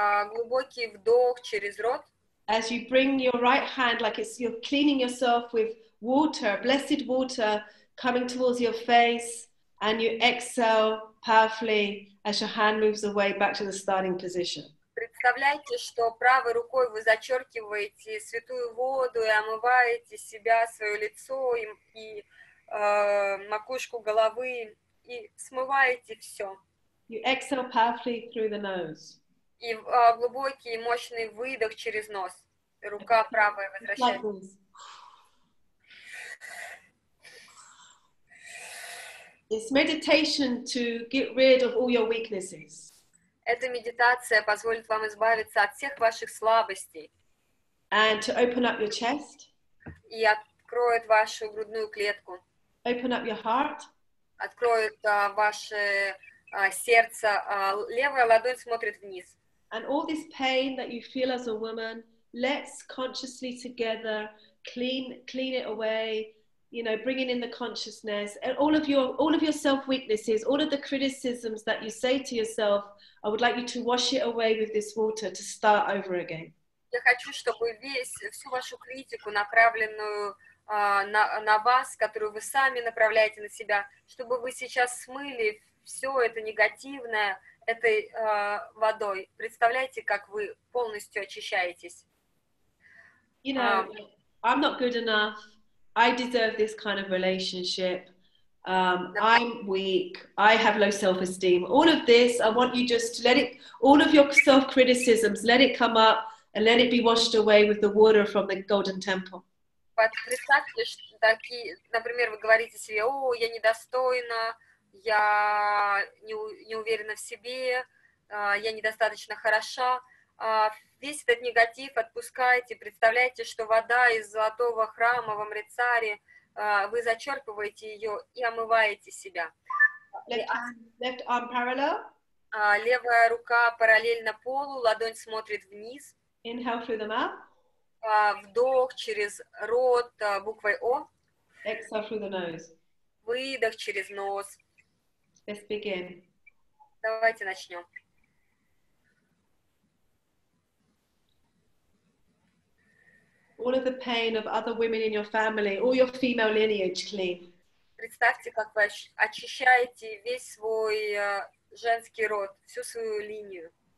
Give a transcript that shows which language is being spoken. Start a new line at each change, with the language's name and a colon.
Russian: Глубокий вдох через рот.
English: As you bring your right hand, like it's you're cleaning yourself with water, blessed water, coming towards your face, and you exhale powerfully as your hand moves away back to the starting position.
Russian: Представляете, что правой рукой вы зачеркиваете святую воду и омываете себя, свое лицо и макушку головы и смываете все.
English: You exhale powerfully through the nose.
Russian: И глубокий и мощный выдох через нос. Рука правая возвращается.
English: It's meditation to get rid of all your weaknesses.
Russian: Эта медитация позволит вам избавиться от всех ваших слабостей.
English: And to open up your chest.
Russian: И откроет вашу грудную клетку.
English: Open up your heart.
Russian: Откроет ваше сердце. Левая ладонь смотрит вниз.
English: And all this pain that you feel as a woman, let's consciously together clean it away, you know, bringing in the consciousness and all of your self-weaknesses, all of the criticisms that you say to yourself, I would like you to wash it away with this water to start over again.
Russian: Я хочу, чтобы всю вашу критику, направленную на вас, которую вы сами направляете на себя, чтобы вы сейчас смыли все это негативное этой водой. Представляете, как вы полностью очищаетесь.
English: You know, I'm not good enough. I deserve this kind of relationship. I'm weak. I have low self-esteem. All of this, I want you just to let it, all of your self-criticisms, let it come up and let it be washed away with the water from the Golden Temple.
Russian: Представьте, что такие, например, вы говорите себе, о, я недостойна, я не уверена в себе, я недостаточно хороша. Весь этот негатив отпускайте, представляете, что вода из золотого храма в Амритсаре, вы зачерпываете ее и омываете себя.
English: Left arm parallel.
Russian: Левая рука параллельно полу, ладонь смотрит вниз.
English: Inhale through the mouth.
Russian: Вдох через рот буквой О.
English: Exhale through the nose.
Russian: Выдох через нос.
English: Let's begin.
Russian: Давайте начнем.
English: All of the pain of other women in your family, all your female lineage clean.
Russian: Представьте, как вы очищаете весь свой женский род, всю свою линию.